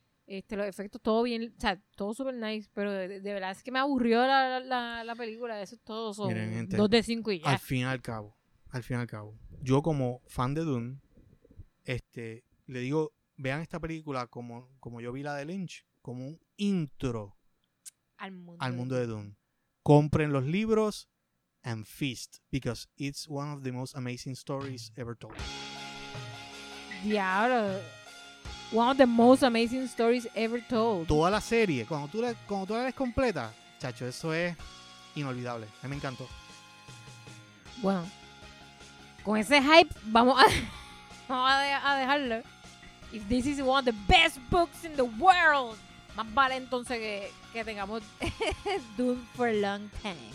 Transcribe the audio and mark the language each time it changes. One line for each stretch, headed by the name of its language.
Spanish: Los efectos, todo bien, o sea, todo súper nice, pero de verdad es que me aburrió la película, eso es todo, son miren, gente, 2 de 5 y ya. Al fin y al cabo, yo como fan de Dune, le digo, vean esta película como yo vi la de Lynch, como un intro al mundo de Dune. Compren los libros
English: and feast, because it's one of the most amazing stories ever told.
Spanish: Diablo.
English: One of the most amazing stories ever told.
Spanish: Toda la serie, cuando tú la ves completa, chacho, eso es inolvidable. A mí me encantó. Bueno, con ese hype, vamos a dejarlo.
English: If this is one of the best books in the world,
Spanish: más vale entonces que tengamos
English: Dune for a long time.